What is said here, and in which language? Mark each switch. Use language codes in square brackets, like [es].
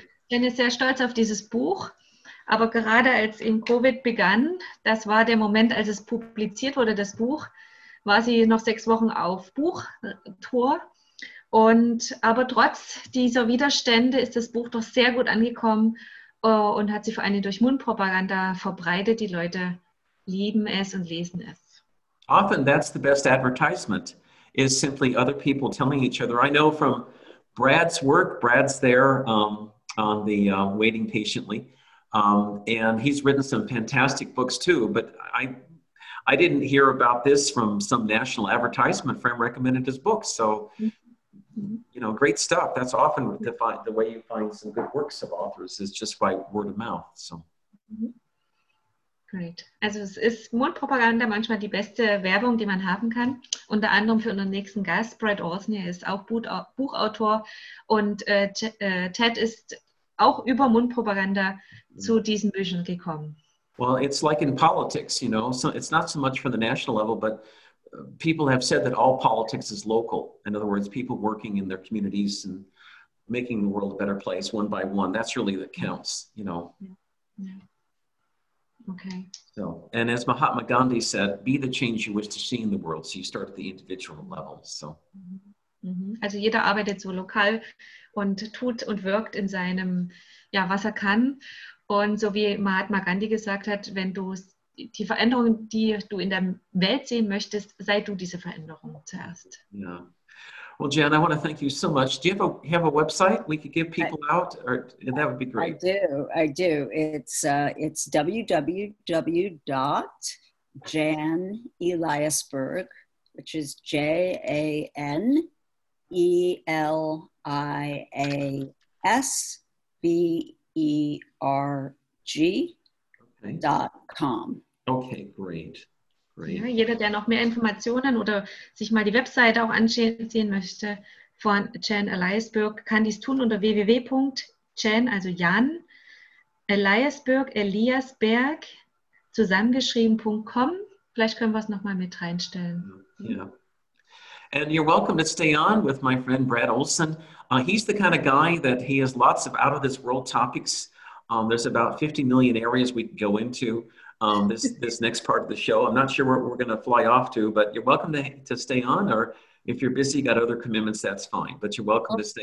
[de] Jen ist sehr stolz auf dieses Buch, aber gerade als in Covid begann, das war der Moment, als es publiziert wurde, das Buch, war sie noch 6 Wochen auf Buchtour. Und aber trotz dieser Widerstände ist das Buch doch sehr gut angekommen und hat sich vor allem durch Mundpropaganda verbreitet. Die Leute lieben es und lesen es. [en] Often that's the best advertisement, is simply other people telling each other. I know from Brad's work. Brad's there on the waiting patiently, and he's written some fantastic books too. But I didn't hear about this from some national advertisement friend recommended his books. So, you know, great stuff. That's often the way you find some good works of authors is just by word of mouth. So, great. [de] Also, es ist Mundpropaganda manchmal die beste Werbung, die man haben kann. Unter anderem für unseren nächsten Gast, Brad Orsny, ist auch Buchautor. Und Ted ist auch über Mundpropaganda zu diesen Büchern gekommen. [en] Well, it's like in politics, you know. So it's not so much for the national level, but people have said that all politics is local. In other words, people working in their communities and making the world a better place one by one. That's really what counts, you know. Okay. So, and as Mahatma Gandhi said, be the change you wish to see in the world. So you start at the individual level. So. Mm-hmm. [de] Also jeder arbeitet so lokal und tut und wirkt in seinem, ja, was er kann. Und so wie Mahatma Gandhi gesagt hat, wenn du die Veränderung, die du in der Welt sehen möchtest, sei du diese Veränderung zuerst. [en] Yeah. Well, Jan, I want to thank you so much. Do you have a website we could give people out? Or, and that would be great. I do. It's www.janeliasberg, which is janeliasberg.com. Okay, great. Great. [de] Ja, jeder, der noch mehr Informationen oder sich mal die Webseite auch ansehen möchte von Jan Eliasberg, kann dies tun unter www.jan, also Jan Eliasberg, zusammengeschrieben.com. Vielleicht können wir es nochmal mit reinstellen. [en] Yeah. And you're welcome to stay on with my friend Brad Olson. He's the kind of guy that he has lots of out of this world topics. There's about 50 million areas we can go into. This next part of the show, I'm not sure where we're going to fly off to, but you're welcome to stay on, or if you're busy, got other commitments, that's fine, but you're welcome to stay